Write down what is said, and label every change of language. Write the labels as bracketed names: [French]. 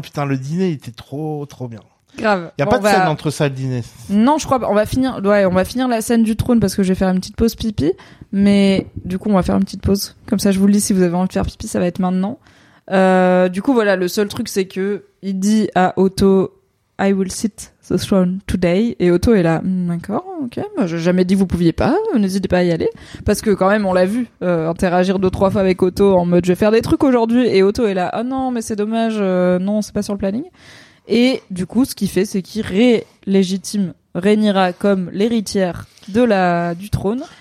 [French] Putain, le dîner était trop bien. Grave. Il y a pas de scène entre ça et le dîner. Non, je crois pas. On va finir la scène du trône parce que je vais faire une petite pause pipi, mais du coup, on va faire une petite pause. Comme ça je vous le dis si vous avez envie de faire pipi, ça va être maintenant. Du coup, voilà, le seul truc c'est que il dit à Otto [English] I will sit the throne today. [French] Et Otto est là, d'accord, ok, moi j'ai jamais dit vous pouviez pas, n'hésitez pas à y aller. Parce que quand même, on l'a vu interagir deux, trois fois avec Otto en mode je vais faire des trucs aujourd'hui. Et Otto est là, oh non, mais c'est dommage, non, c'est pas sur le planning. Et du coup, ce qu'il fait, c'est qu'il ré-légitime Rhaenyra comme l'héritière de la, du trône.